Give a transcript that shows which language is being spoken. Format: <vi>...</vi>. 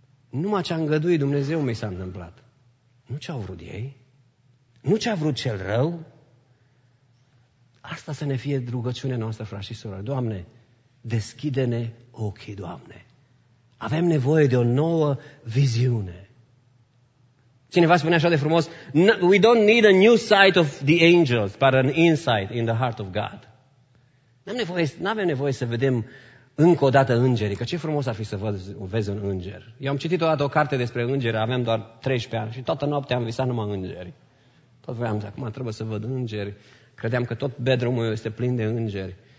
<ro>Numai ce-a îngăduit Dumnezeu mi s-a întâmplat. Nu ce-au vrut ei? Nu ce-a vrut cel rău? Asta să ne fie rugăciunea noastră, frați și surori. Doamne, deschide-ne ochii, Doamne. Avem nevoie de o nouă viziune. Cineva spune așa de frumos,</ro> <en>we don't need a new sight of the angels, but an insight in the heart of God.</en> <ro>N-avem nevoie să vedem încă o dată îngerii, că ce frumos ar fi să vezi un înger. Eu am citit odată o carte despre îngeri, aveam doar 13 ani și toată noaptea am visat numai îngeri. Tot voiam să, acum trebuie să văd îngeri. Credeam că tot bedroom-ul meu este plin de îngeri.</ro>